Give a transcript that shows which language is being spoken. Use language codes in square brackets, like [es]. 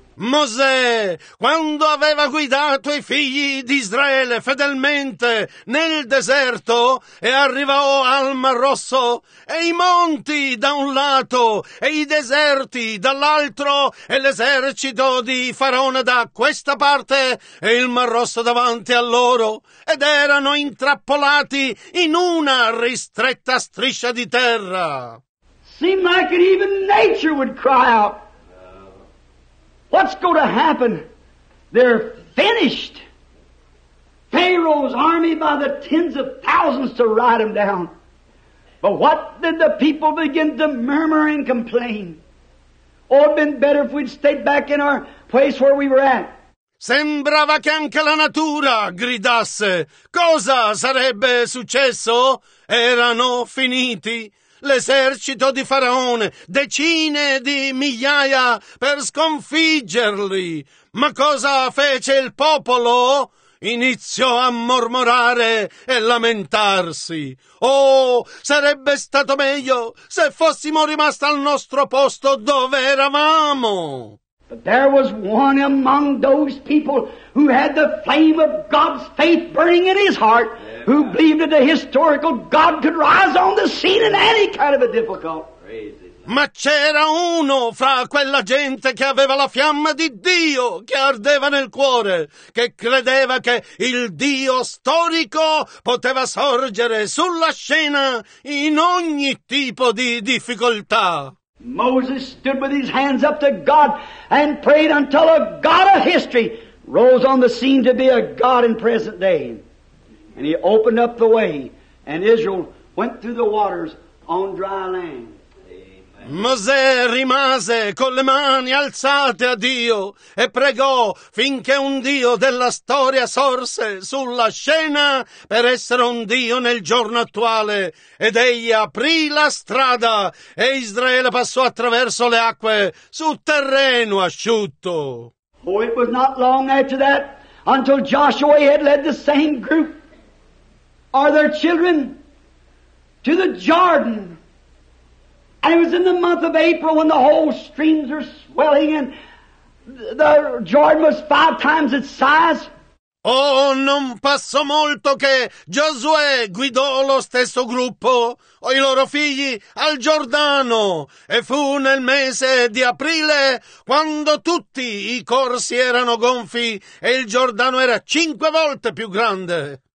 [it] Mosè, quando aveva guidato i figli di Israele fedelmente nel deserto e arrivò al Mar Rosso, e i monti da un lato e i deserti dall'altro e l'esercito di Faraone da questa parte e il Mar Rosso davanti a loro, ed erano intrappolati in una ristretta striscia di terra. [en] Seemed like it even nature would cry out. What's going to happen? They're finished. Pharaoh's army by the tens of thousands to ride them down. But what did the people begin to murmur and complain? Oh, it'd been better if we'd stayed back in our place where we were at. [it] Sembrava che anche la natura gridasse. Cosa sarebbe successo? Erano finiti. L'esercito di Faraone, decine di migliaia per sconfiggerli. Ma cosa fece il popolo? Iniziò a mormorare e lamentarsi. Oh, sarebbe stato meglio se fossimo rimasti al nostro posto dove eravamo. [en] But there was one among those people who had the flame of God's faith burning in his heart, who believed that the historical God could rise on the scene in any kind of a difficult. [it] Ma c'era uno fra quella gente che aveva la fiamma di Dio che ardeva nel cuore, che credeva che il Dio storico poteva sorgere sulla scena in ogni tipo di difficoltà. [en] Moses stood with his hands up to God and prayed until a God of history rose on the scene to be a God in present day. And he opened up the way, and Israel went through the waters on dry land. [it] Mosè rimase con le mani alzate a Dio e pregò finché un Dio della storia sorse sulla scena per essere un Dio nel giorno attuale, ed egli aprì la strada e Israele passò attraverso le acque su terreno asciutto. [en] Oh, it was not long after that until Joshua had led the same group or their children to the Jordan. And it was in the month of April when the whole streams were swelling and the Jordan was five times its size. [it] Oh, non passò molto che Giosuè guidò lo stesso gruppo o i loro figli al Giordano, e fu nel mese di aprile quando tutti i corsi erano gonfi e il Giordano era cinque volte più grande.